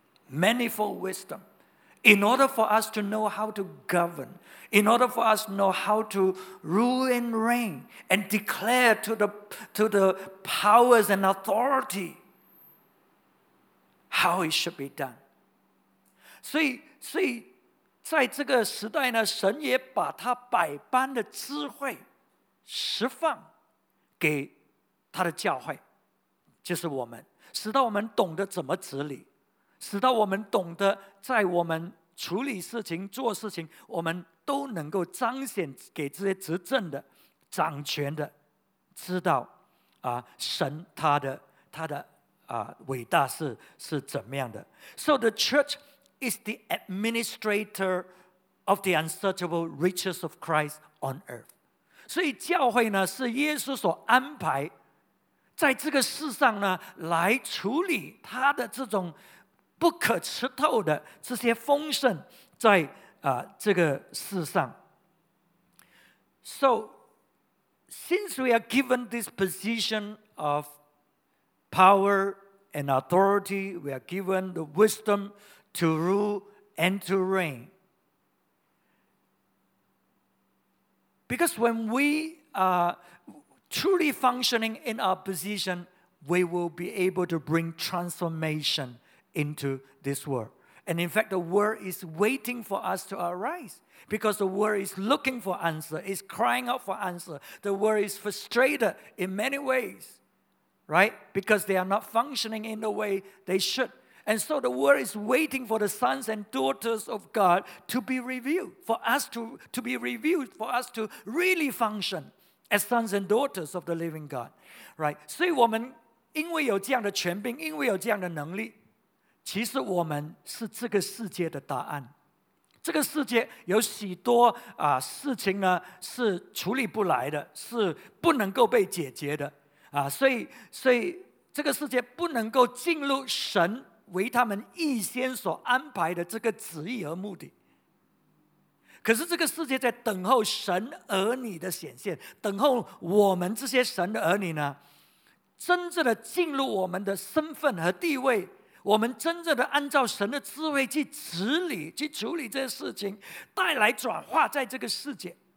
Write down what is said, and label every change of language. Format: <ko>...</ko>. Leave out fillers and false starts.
<en>Manifold wisdom. In order for us to know how to govern, in order for us to know how to rule and reign and declare to the powers and authority how it should be done.</en> <zh>所以在这个时代呢，神也把他百般的智慧释放给他的教会，就是我们，使到我们懂得怎么治理，使到我们懂得在我们处理事情做事情，我们都能够彰显给这些执政的掌权的知道神他的伟大是怎么样的。</zh> <en>So the churchis the administrator of the unsearchable riches of Christ on earth.</en> <zh>所以教会呢，是耶稣所安排在这个世上呢，来处理他的这种不可吃透的这些丰盛在这个世上。</zh> <en>So, since we are given this position of power and authority, we are given the wisdomTo rule and to reign. Because when we are truly functioning in our position, we will be able to bring transformation into this world. And in fact, the world is waiting for us to arise. Because the world is looking for answer, is crying out for answer. The world is frustrated in many ways, right? Because they are not functioning in the way they should. And so the world is waiting for the sons and daughters of God to be revealed, for us to be revealed, for us to really function as sons and daughters of the living God. Right?</en> <zh>所以我们因为有这样的权柄，因为有这样的能力，其实我们是这个世界的答案。这个世界有许多事情呢，是处理不来的，是不能够被解决的。所以这个世界不能够进入神为他们预先所安排的这个旨意和目的，可是这个世界在等候神儿女的显现，等候我们这些神的儿女呢，真正的进入我们的身份和地位，我们真正的按照神的智慧去治理，去处理这些事情，带来转化在这个世界。</zh>